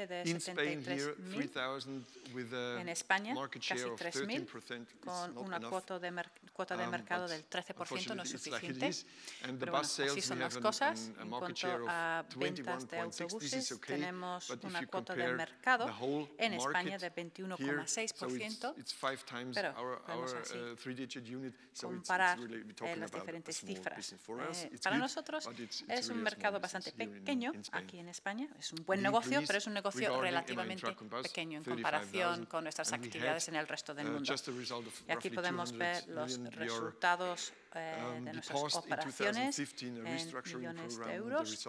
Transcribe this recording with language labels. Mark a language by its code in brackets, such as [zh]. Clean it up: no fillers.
[en] In Spain here, 3,000 with a market share of 13%. [es] Con una cuota de mercado del 13% no es suficiente. [en] And the bus sales we have a market share of 21.6%. This is okay. [es] Tenemos una cuota de mercado en España de 21.6%. [en] So it's five times our three-digit unit. So it's [es] diferentes cifras. Para nosotros es un mercado bastante pequeño aquí en España. Es un buen negocio, pero es un negocio relativamente pequeño en comparación con nuestras actividades en el resto del mundo. Y aquí podemos ver los resultados de nuestras operaciones en millones de euros.